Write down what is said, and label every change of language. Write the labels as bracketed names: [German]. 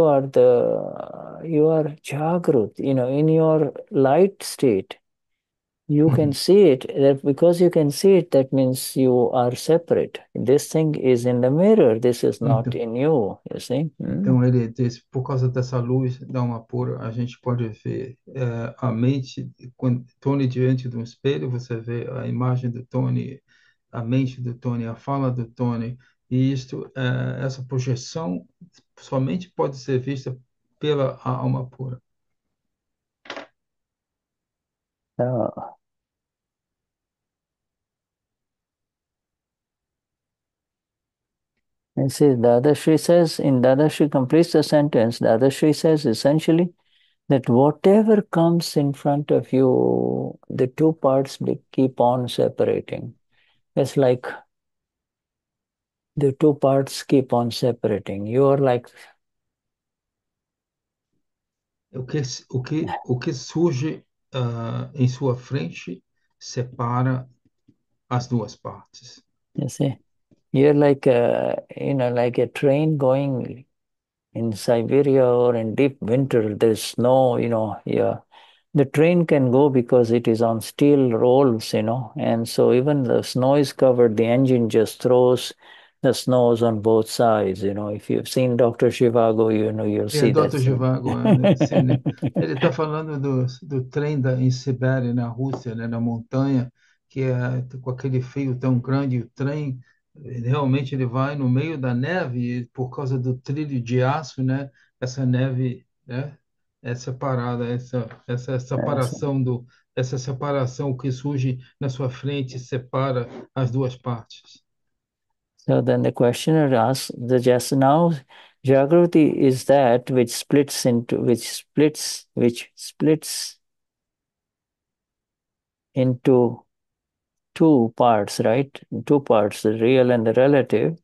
[English] You are Jagrut, in your light state. You can see it, that because you can see it, that means you are separate. This thing is in the mirror, this is not [Portuguese] Então, [English] in you, you see? [Portuguese] ele disse, por causa dessa luz, dá uma pura, a gente pode ver a mente, quando Tony diante de um espelho, você vê a imagem do Tony, a mente do Tony, a fala do Tony, e isto essa projeção somente pode ser vista pela alma pura. [English] And see, Dadashri says, in Dadashri completes the sentence, Dadashri says essentially that whatever comes in front of you, the two parts keep on separating. It's like the two parts keep on separating. You are like. [Portuguese] O que surge em sua frente separa as duas partes. [English] You see, you're like like a train going in Siberia or in deep winter. There's snow, the train can go because it is on steel rolls, and so even the snow is covered, the engine just throws the snows on both sides. If you've seen Dr. Zhivago, you'll see that Dr. scene. [Portuguese] Zhivago, sim, né? Ele está falando do trem em Sibéria, na Rússia, né? Na montanha, que é com aquele frio tão grande, e o trem realmente ele vai no meio da neve, e por causa do trilho de aço, né? Essa neve, né? É separada, essa separação essa separação que surge na sua frente separa as duas partes. [English] So then the questioner asks, the just now, Jagruti is that which splits into two parts, right? Two parts, the real and the relative.